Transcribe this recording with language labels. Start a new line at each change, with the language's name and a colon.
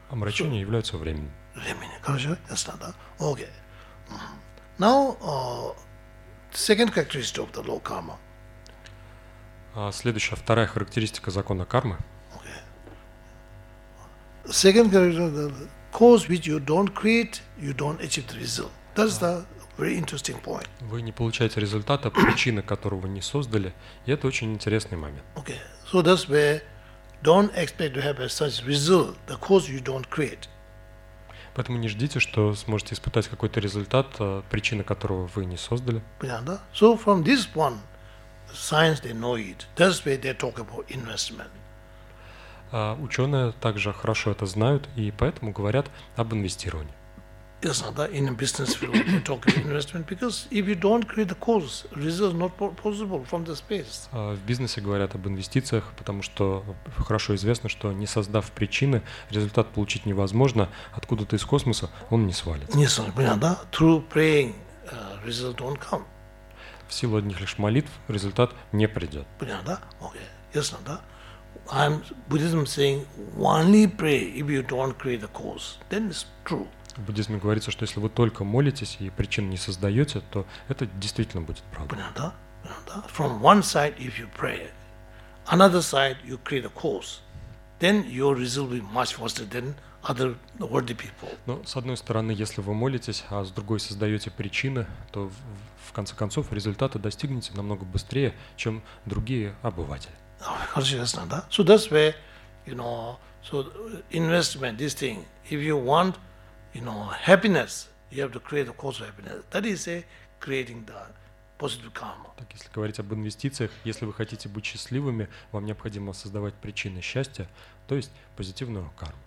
Russian: Омрачение является временем. Временем, хорошо, ясно, да?
English: Okay. Now, second characteristic of the law karma.
Russian: Следующая, вторая характеристика закона кармы.
English: Second characteristic, the cause which you don't create, you don't achieve the result. That's the very interesting point.
Russian: Вы не получаете результата, причина которого не создали, и это очень интересный момент.
English: Okay, so that's where don't expect to have such result, the cause you don't create.
Russian: Поэтому не ждите, что сможете испытать какой-то результат, причина которого вы не создали. Понятно, да?
English: So from this one, science, they know it. That's where they talk about investment.
Russian: Ученые также хорошо это знают и поэтому говорят об инвестировании. Ясно, да?
English: In a business field, we talk about investment, because if you don't create the cause, result not possible from the space.
Russian: В бизнесе говорят об инвестициях, потому что хорошо известно, что не создав причины, результат получить невозможно. Откуда-то из космоса он не свалится. Не понятно, да?
English: Through praying, result won't come.
Russian: В силу одних лишь молитв результат не придет. Понятно, да? Окей. Ясно, да?
English: I'm Buddhism saying only pray if you don't create the cause, then it's true.
Russian: В буддизме говорится, что если вы только молитесь и причин не создаете, то это действительно будет правда. Понятно, да?
English: From one side, if you pray, another side, you create a cause, then your result will be much faster than other worldly people.
Russian: Но с одной стороны, если вы молитесь, а с другой создаете причины, то в конце концов результаты достигнете намного быстрее, чем другие обыватели. Хорошо, ясно, да?
English: So that's where, you know, so investment, this thing, if you want, you know, happiness, you have to create the cause of happiness. That is a creating the positive karma.
Russian: Так, если говорить об инвестициях, если вы хотите быть счастливыми, вам необходимо создавать причины счастья, то есть позитивную карму.